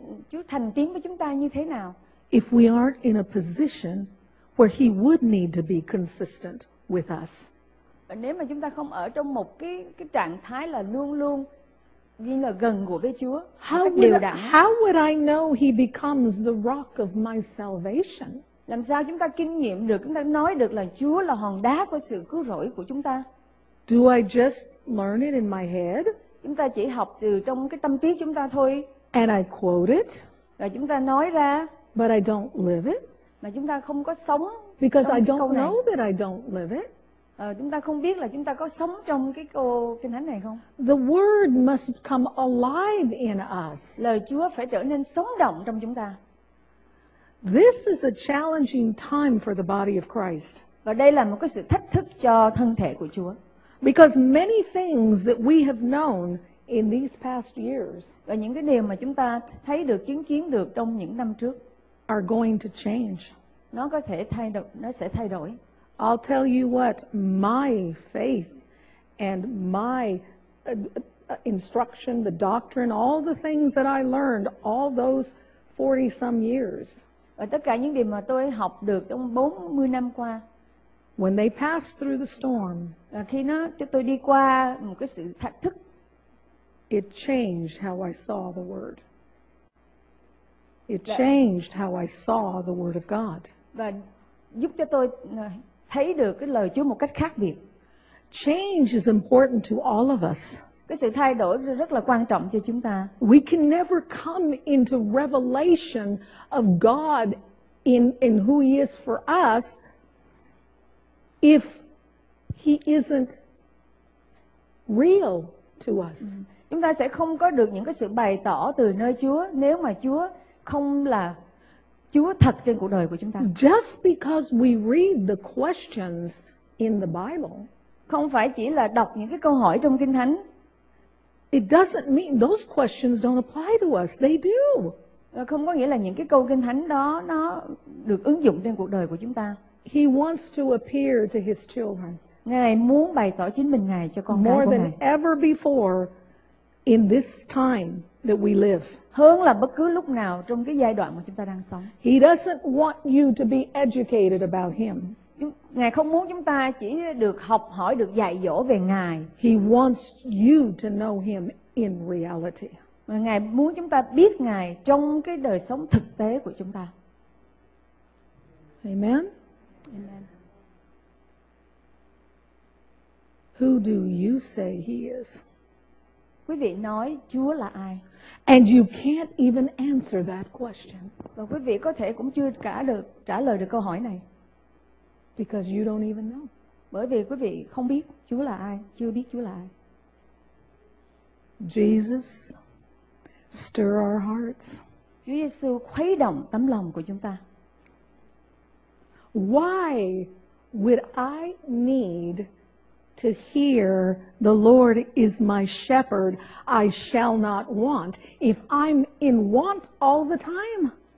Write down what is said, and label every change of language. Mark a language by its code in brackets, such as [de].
[vi] Chúa thành tín với chúng ta như thế nào? [en] If we aren't in a position where he would need to be consistent with us. [vi] Nếu mà chúng ta không ở trong một cái trạng thái là luôn luôn như là gần gũi với Chúa. [en] How would I know he becomes the rock of my salvation? [vi] Làm sao chúng ta kinh nghiệm được, chúng ta nói được là Chúa là hòn đá của sự cứu rỗi của chúng ta? [en] Do I just learn it in my head? [vi] Chúng ta chỉ học từ trong cái tâm trí chúng ta thôi. [en] And I quote it. [vi] Và chúng ta nói ra. [en] But I don't live it. [vi] Mà chúng ta không có sống. [en] Because I don't know that I don't live it. [vi] Chúng ta không biết là chúng ta có sống trong cái câu kinh thánh này không? [en] The word must come alive in us. [vi] Lời Chúa phải trở nên sống động trong chúng ta. [en] This is a challenging time for the body of Christ. [vi] Và đây là một cái sự thách thức cho thân thể của Chúa. [en] Because many things that we have known in these past years, [vi] và những cái điều mà chúng ta thấy được, chứng kiến được trong những năm trước, [en] are going to change. [vi] Nó có thể thay đổi, nó sẽ thay đổi. [en] I'll tell you what, my faith and my instruction, the doctrine, all the things that I learned all those 40 some years. [vi] Và tất cả những điều mà tôi học được trong 40 năm qua. [en] When they passed through the storm, [vi] khi nó cho tôi đi qua một cái sự thách thức, [en] it changed how I saw the word. It changed how I saw the word of God. [vi] Và giúp cho tôi thấy được cái lời Chúa một cách khác biệt. [en] Change is important to all of us. [vi] Cái sự thay đổi rất là quan trọng cho chúng ta. [en] We can never come into revelation of God in who he is for us if he isn't real to us. [vi] Chúng ta sẽ không có được những cái sự bày tỏ từ nơi Chúa nếu mà Chúa không là Chúa thật trên cuộc đời của chúng ta. [en] Just because we read the questions in the Bible, [vi] không phải chỉ là đọc những cái câu hỏi trong Kinh Thánh, [en] it doesn't mean those questions don't apply to us. They do. [vi] Không có nghĩa là những cái câu Kinh Thánh đó nó được ứng dụng trên cuộc đời của chúng ta. [en] He wants to appear to his children. [vi] Ngài muốn bày tỏ chính mình Ngài cho con cái của Ngài. [en] More than ever before in this time that we live. [vi] Hơn là bất cứ lúc nào trong cái giai đoạn mà chúng ta đang sống. [en] He doesn't want you to be educated about him. [vi] Ngài không muốn chúng ta chỉ được học hỏi, được dạy dỗ về Ngài. [en] He wants you to know him in reality. [vi] Ngài muốn chúng ta biết Ngài trong cái đời sống thực tế của chúng ta. [en] Amen. [vi] Amen. [en] Who do you say he is? [vi] Quý vị nói Chúa là ai? [en] And you can't even answer that question. [vi] Và quý vị có thể cũng chưa cả được trả lời được câu hỏi này. [en] Because you don't even know. [vi] Bởi vì quý vị không biết Chúa là ai, chưa biết Chúa là ai. [en] Jesus, stir our hearts. [vi] Chúa Giêsu khuấy động tấm lòng của chúng ta. [en] Why would I need to hear the Lord is my shepherd, I shall not want, if I'm in want all the time?